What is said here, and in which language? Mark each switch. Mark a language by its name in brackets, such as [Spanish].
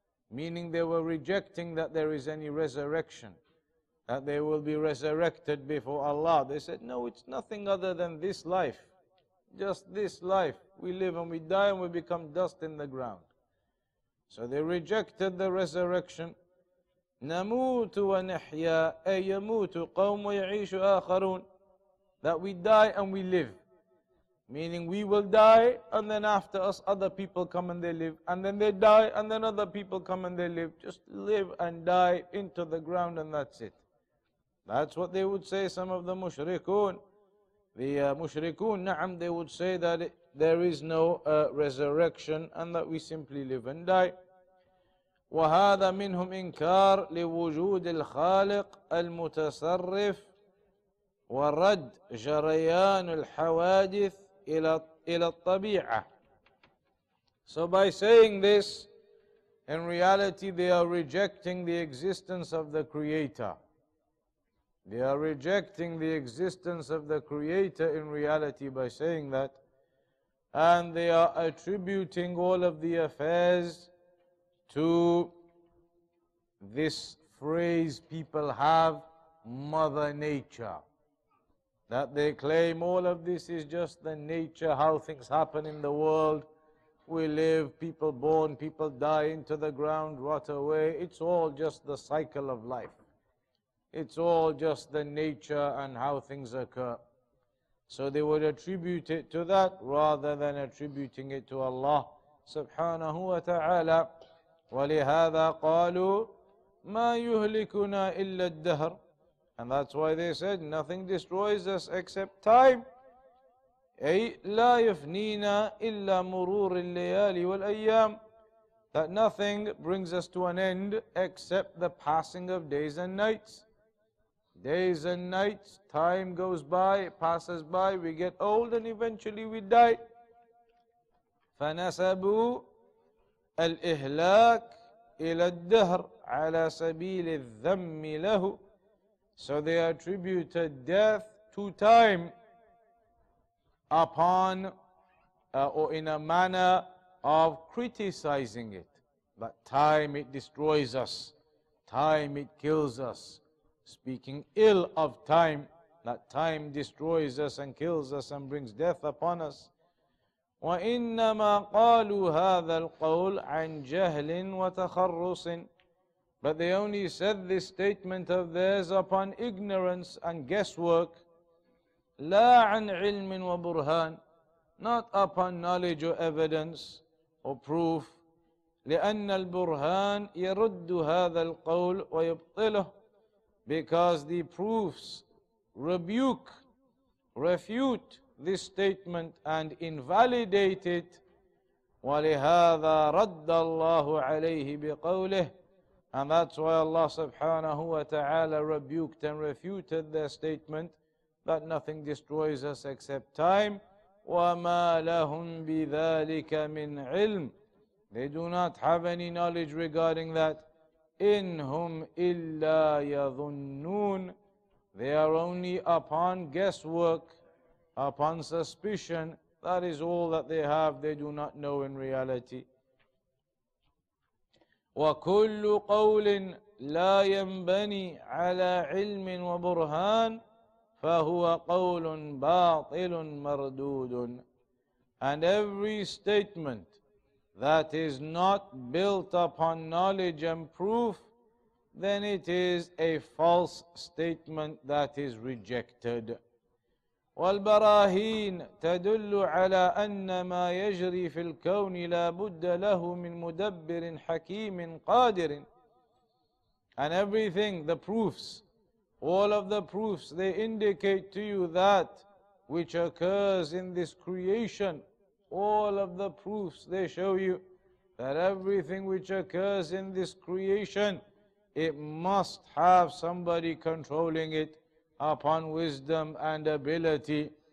[English] Meaning they were rejecting that there is any resurrection, that they will be resurrected before Allah. They said, no, it's nothing other than this life. Just this life. We live and we die and we become dust in the ground. So they rejected the resurrection. [Arabic] نموت ونحيا أي يموت قوم ويعيش آخرون. [English] That we die and we live. Meaning we will die and then after us other people come and they live. And then they die and then other people come and they live. Just live and die into the ground and that's it. That's what they would say, some of the mushrikun. The mushrikun, they would say that there is no resurrection and that we simply live and die. [Arabic] وهذا منهم إنكار لوجود الخالق المتصرف ورد جريان الحوادث إلى الطبيعة. [English] So by saying this, in reality they are rejecting the existence of the Creator. They are rejecting the existence of the Creator in reality by saying that, and they are attributing all of the affairs to this phrase people have, Mother Nature. That they claim all of this is just the nature, how things happen in the world. We live, people born, people die, into the ground, rot away. It's all just the cycle of life. It's all just the nature and how things occur. So they would attribute it to that rather than attributing it to Allah subhanahu wa ta'ala. [Arabic] ولهذا قالوا ما يهلكنا إلا الدهر. [English] And that's why they said nothing destroys us except time. [Arabic] أي لا يفنينا إلا مرور الليالي والأيام. [English] That nothing brings us to an end except the passing of days and nights. Days and nights, time goes by, it passes by, we get old and eventually we die. [Arabic] فنسبوا الإهلاك إلى الدهر على سبيل الذم له. [English] So they attributed death to time upon or in a manner of criticizing it. But time, it destroys us. Time, it kills us. Speaking ill of time, that time destroys us and kills us and brings death upon us. [Arabic] وإنما قالوا هذا القول عن جهل وتخرص. [English] But they only said this statement of theirs upon ignorance and guesswork. [Arabic] لا عن علم وبرهان. [English] Not upon knowledge or evidence or proof. [Arabic] لأن البرهان يرد هذا القول ويبطله. [English] Because the proofs refute this statement and invalidate it. [Arabic] ولهذا رد الله عليه بقوله. [English] And that's why Allah subhanahu wa ta'ala rebuked and refuted their statement that nothing destroys us except time. [Arabic] وَمَا لَهُمْ بِذَٰلِكَ مِنْ عِلْمٍ. [English] They do not have any knowledge regarding that. [Arabic] إِنْ هُمْ إِلَّا يَظُنُّونَ. [English] They are only upon guesswork, upon suspicion. That is all that they have. They do not know in reality. [Arabic] وكل قول لا ينبني على علم وبرهان فهو قول باطل مردود. [English] And every statement that is not built upon knowledge and proof, then it is a false statement that is rejected. [Arabic] والبراهين تدل على أن ما يجري في الكون لا بد له من مدبر حكيم قادر. [English] And everything, the proofs, all of the proofs, they indicate to you that which occurs in this creation. All of the proofs, they show you that everything which occurs in this creation, it must have somebody controlling it upon wisdom and ability.